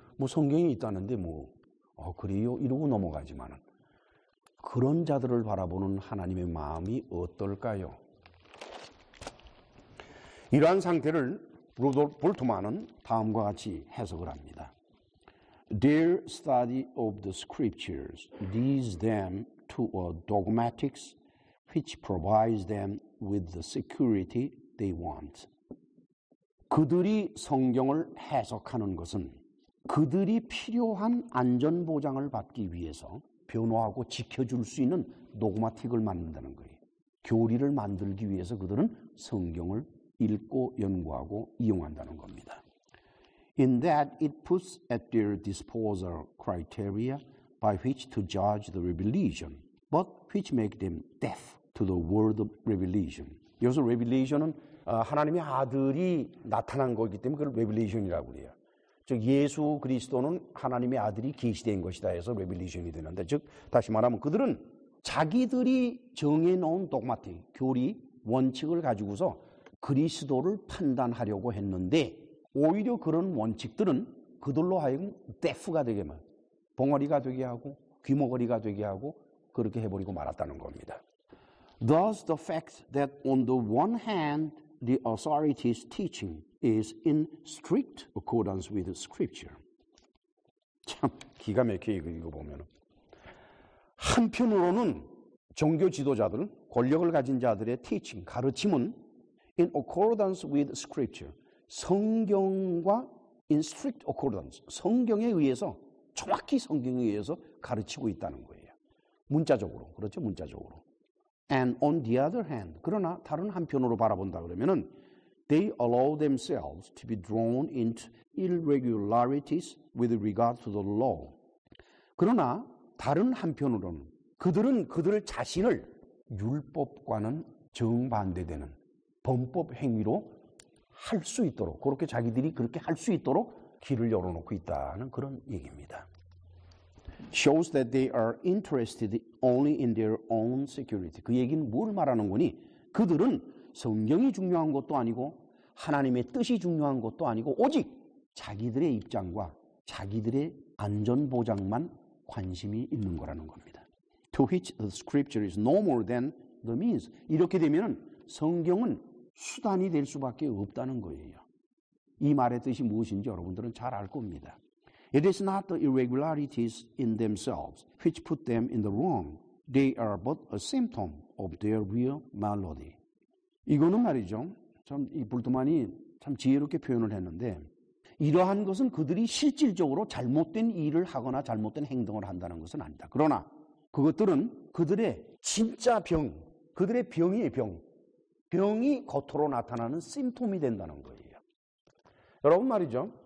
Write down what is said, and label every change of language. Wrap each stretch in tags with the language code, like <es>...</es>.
<ko>뭐 성경이 있다는데 뭐 아 그래요? 이러고 넘어가지만 그런 자들을 바라보는 하나님의 마음이 어떨까요? 이러한 상태를 루돌프 볼트만은 다음과 같이 해석을 합니다.</ko> <en>Their study of the scriptures leads them to a dogmatics which provides them with the security they want.</en> <ko>그들이 성경을 해석하는 것은 그들이 필요한 안전보장을 받기 위해서 변화하고 지켜줄 수 있는 도그마틱을 만든다는 거예요. 교리를 만들기 위해서 그들은 성경을 읽고 연구하고 이용한다는 겁니다.</ko> <en>In that it puts at their disposal criteria by which to judge the revelation, but which make them deaf to the word of revelation.</en> <ko>여기서 revelation은 하나님의 아들이 나타난 것이기 때문에 그걸 revelation이라고 해요. 즉 예수 그리스도는 하나님의 아들이 계시된 것이다 해서 revelation이 되는데, 즉 다시 말하면 그들은 자기들이 정해놓은 dogmatic, 교리, 원칙을 가지고서 그리스도를 판단하려고 했는데 오히려 그런 원칙들은 그들로 하여금 deaf가 되게 만 봉어리가 되게 하고 귀머거리가 되게 하고 그렇게 해버리고 말았다는 겁니다.</ko> <en>Thus the fact that on the one hand the authority's teaching is in strict accordance with scripture.</en> <ko>참 기가 막혀요. 이거 보면 한편으로는 종교 지도자들 권력을 가진 자들의 teaching 가르침은</ko> <en>in accordance with scripture</en> <ko>성경과</ko> <en>in strict accordance</en> <ko>성경에 의해서 정확히 성경에 의해서 가르치고 있다는 거예요. 문자적으로 그렇죠.</ko> <en>And on the other hand,</en> <ko>그러나 다른 한편으로 바라본다 그러면은</ko> <en>they allow themselves to be drawn into irregularities with regard to the law.</en> <ko>그러나 다른 한편으로는 그들은 그들 자신을 율법과는 정반대되는 범법 행위로 할 수 있도록 그렇게 자기들이 그렇게 할 수 있도록 길을 열어놓고 있다는 그런 얘기입니다.</ko> <en>Shows that they are interested only in their own security.</en> <ko>그 얘기는 뭘 말하는 거니? 그들은 성경이 중요한 것도 아니고 하나님의 뜻이 중요한 것도 아니고 오직 자기들의 입장과 자기들의 안전보장만 관심이 있는 거라는 겁니다.</ko> <en>To which the scripture is no more than the means.</en> <ko>이렇게 되면 성경은 수단이 될 수밖에 없다는 거예요. 이 말의 뜻이 무엇인지 여러분들은 잘 알 겁니다.</ko> <en>It is not the irregularities in themselves which put them in the wrong. They are but a symptom of their real malady.</en> <ko>이거는 말이죠. 참 이 불드만이 참 지혜롭게 표현을 했는데 이러한 것은 그들이 실질적으로 잘못된 일을 하거나 잘못된 행동을 한다는 것은 아니다. 그러나 그것들은 그들의 진짜 병, 그들의 병이에요, 병. 병이 겉으로 나타나는 심ptom이 된다는 거예요. 여러분 말이죠.</ko>